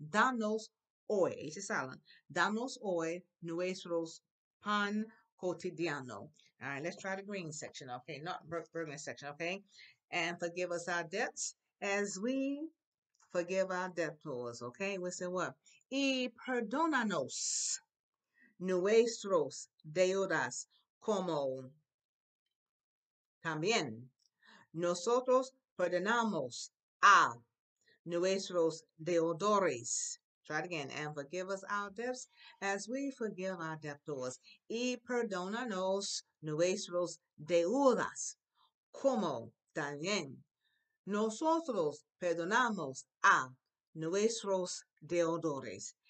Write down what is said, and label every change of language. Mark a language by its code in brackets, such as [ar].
[es] Danos hoy. [en] It's a silent. [es] Danos hoy nuestro pan cotidiano. [en] All right. Let's try the green section. Okay. Not Berlin section. Okay. And forgive us our debts as we forgive our debtors. Okay, we say what? [es] Y perdónanos nuestros deudas como también nosotros perdonamos a nuestros deudores. [en] Try it again. And forgive us our debts as we forgive our debtors. [es] Y perdónanos nuestros deudas como también nosotros perdonamos a nuestros deudores.